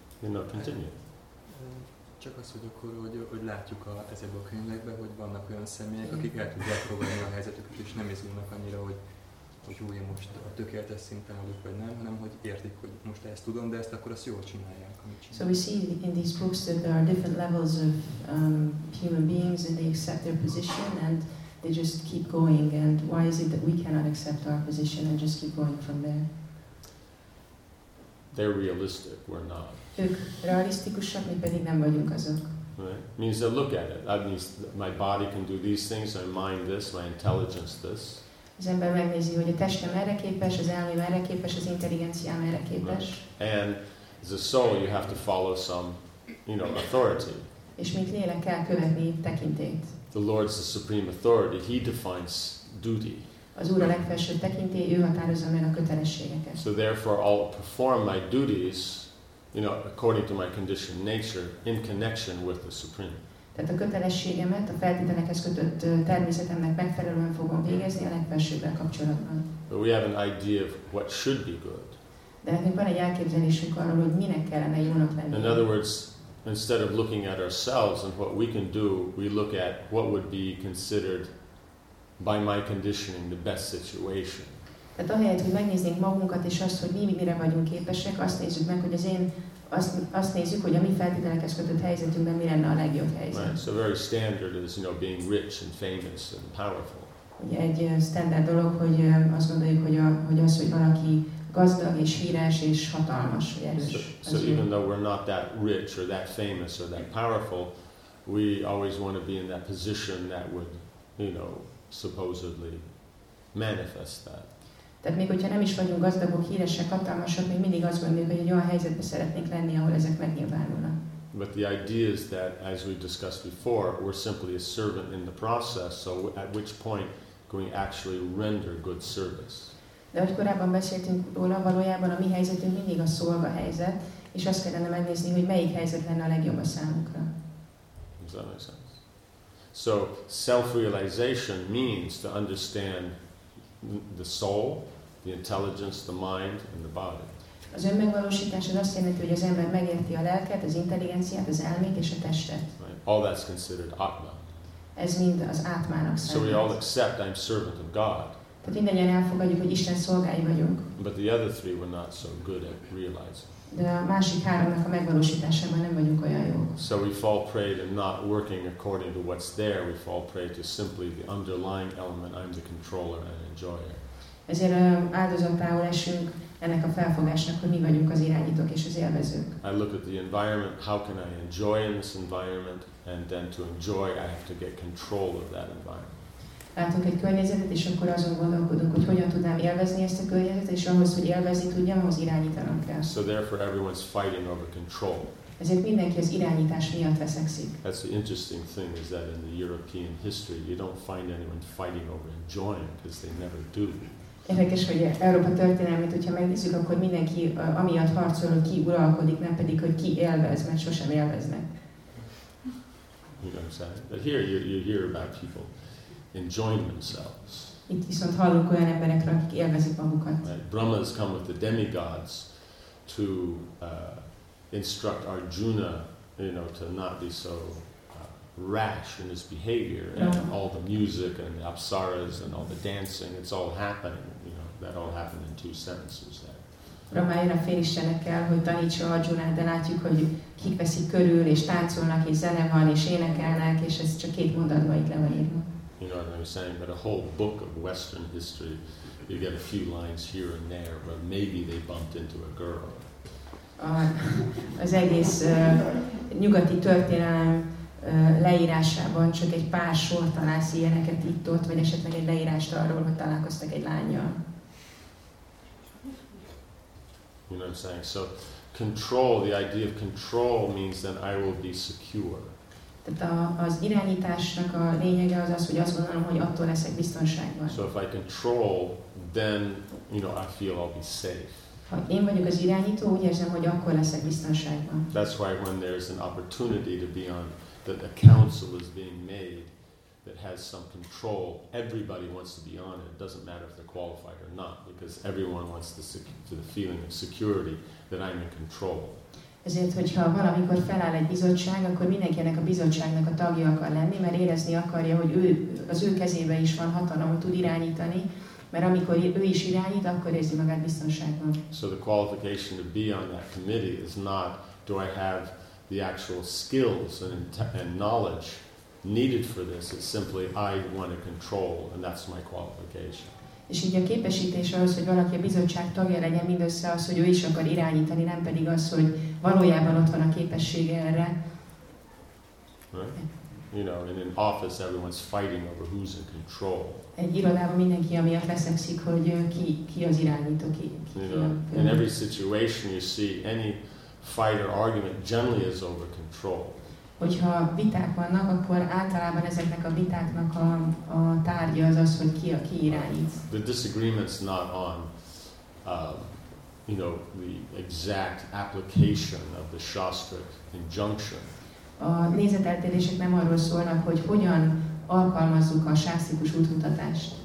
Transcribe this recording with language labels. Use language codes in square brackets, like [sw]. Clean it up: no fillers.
[en] You know, continue. [hu] Csak az, hogy akkor, hogy látjuk ezekből a könyvekben, hogy vannak olyan személyek, akik el tudják próbálni a helyzetüket, és nem izgulnak annyira, hogy jó, én most a tökéletes szinten vagyok, vagy nem, hanem hogy értik, hogy most ezt tudom, de ezt akkor azt jól csinálják, amit csinálják. [en] So we see in these books that there are different levels of human beings and they accept their position and they just keep going. And why is it that we cannot accept our position and just keep going from there? They're realistic, we're not. [hu] Ők realisztikusak, mi pedig nem vagyunk azok. [en] Right? Means they look at it. That means my body can do these things, my mind this, my intelligence this. [hu] Az ember megnézi, hogy a testem erre képes, az elmém erre képes, az intelligenciám erre képes. [en] And as a soul, you have to follow some, authority. [hu] És mint lélek kell követni tekintélyt. [en] The Lord's the supreme authority. He defines duty. [hu] Az Úr a legfelsőbb tekintély, ő határozza meg a kötelességeket. [en] So therefore, I'll perform my duties, according to my conditioned nature, in connection with the supreme. [hu] Tehát a kötelességemet, a feltételekhez kötött természetemnek megfelelően fogom végezni a legfelsőbbel kapcsolatban. [en] But we have an idea of what should be good. [hu] De nekünk van egy elképzelésünk arról, hogy minek kellene jónak lenni. [en] In other words, instead of looking at ourselves and what we can do, we look at what would be considered by my conditioning the best situation. [hu] Tehát ahelyett, hogy megnéznénk magunkat és azt, hogy mi mire vagyunk képesek, azt nézzük meg, hogy azt nézzük, hogy a mi feltételekhez kötött helyzetünkben mi lenne a legjobb helyzet. [en] Right. So very standard is, being rich and famous and powerful. [hu] Ugye egy standard dolog, hogy azt gondoljuk, hogy az, hogy valaki gazdag és híres és hatalmas, vagy erős. [en] So even though we're not that rich or that famous or that powerful, we always want to be in that position that would, supposedly manifest that. [hu] Tehát még hogyha nem is vagyunk gazdagok, híresek, hatalmasok, még mindig azt gondoljuk, hogy egy olyan helyzetben szeretnénk lenni, ahol ezek megnyilvánulnak. [en] But the idea is that, as we discussed before, we're simply a servant in the process, so at which point can we actually render good service. [hu] De ahogy korábban beszéltünk róla, valójában a mi helyzetünk mindig a szolga helyzet, és azt kellene megnézni, hogy melyik helyzet lenne a legjobb a számunkra. [en] Does that make sense? So self-realization means to understand the soul, the intelligence, the mind, and the body. [hu] Az önmegvalósítás az azt jelenti, hogy az ember megérti a lelket, az intelligenciát, az elmét és a testet. [en] Right. All that's considered Atma. [hu] Ez mind az átmának szerint. [en] So we all accept I'm servant of God. [hu] Tehát mindannyian elfogadjuk, hogy Isten szolgái vagyunk. [en] But the other three were not so good at realizing. [hu] De a másik háromnak a megvalósításában nem vagyunk olyan jók. [en] So we fall prey to not working according to what's there. We fall prey to simply the underlying element. I'm the controller and enjoyer. [hu] Ezért áldozatául esünk ennek a felfogásnak, hogy mi vagyunk az irányítók és az élvezők. [en] I look at the environment. How can I enjoy in this environment? And then to enjoy, I have to get control of that environment. [hu] Látok egy környezetet, és akkor azon gondolkodok, hogy hogyan tudnám élvezni ezt a környezetet, és ahhoz, hogy élvezni tudjam, ahhoz irányítanom kell. [en] So therefore everyone's fighting over control. [hu] Ezért mindenki az irányítás miatt veszekszik. [en] That's the interesting thing is that in the European history you don't find anyone fighting over enjoying because they never do. [hu] Érdekes, hogy Európa történelmét, hogyha megnézzük, akkor mindenki amiatt harcol, hogy ki uralkodik, nem pedig, hogy ki élvez, mert sosem élveznek. [en] You know what I'm saying? But here you hear about people enjoying themselves. [hu] Itt viszont hallunk olyan emberekről, akik élvezik magukat. [en] Right. Brahmas come with the demigods to instruct Arjuna, you know, to not be so rash in his behavior, and all the music and the apsaras and all the dancing, it's all happening, you know, that all happened in two sentences there. [hu] Rama jön a félistenekkel, hogy tanítsa Arjunát, de látjuk, hogy kik veszik körül, és táncolnak, és zene van, és énekelnek, és ez csak két mondatban itt le van írva. [en] You know what I'm saying? But a whole book of Western history, you get a few lines here and there, but maybe they bumped into a girl. [hu] Az egész nyugati történelem leírásában csak egy pár sor találsz ilyeneket itt-ott, vagy esetleg egy leírást arról, hogy találkoztak egy lánnyal. [en] You know what I'm saying? So control, the idea of control means that I will be secure. [hu] Tehát az irányításnak a lényege az az, hogy azt gondolom, hogy attól leszek biztonságban. [en] So if I control, then, you know, I feel I'll be safe. [hu] Ha én vagyok az irányító, úgy érzem, hogy akkor leszek biztonságban. [en] That's why when there's an opportunity to be on, that the council is being made, that has some control, everybody wants to be on it. It doesn't matter if they're qualified or not, because everyone wants the feeling of security that I'm in control. [hu] Ezért, hogyha valamikor feláll egy bizottság, akkor mindenki ennek a bizottságnak a tagja akar lenni, mert érezni akarja, hogy ő, az ő kezében is van hatalom, hogy tud irányítani. Mert amikor ő is irányít, akkor érzi magát biztonságban. [en] So the qualification to be on that committee is not, do I have the actual skills and knowledge needed for this? It's simply I want to control, and that's my qualification. [hu] És így a képesítés ahhoz, hogy valaki a bizottság tagja legyen, mindössze az, hogy ő is akar irányítani, nem pedig az, hogy valójában ott van a képessége erre. [en] You know, in an office, everyone's fighting over who's in control. [hu] Egy irodában mindenki amiatt veszekszik, hogy ki az irányító, ki [en] you know, a... In every situation you see, any fight or argument generally is over control. [hu] Hogyha viták vannak, akkor általában ezeknek a vitáknak a tárgya az, hogy ki irányít. [en] The disagreement's not on, you know, the exact application of the Shastric injunction. [hu] A nézeteltérések nem arról szólnak, hogy hogyan alkalmazzuk a sásztikus útmutatást.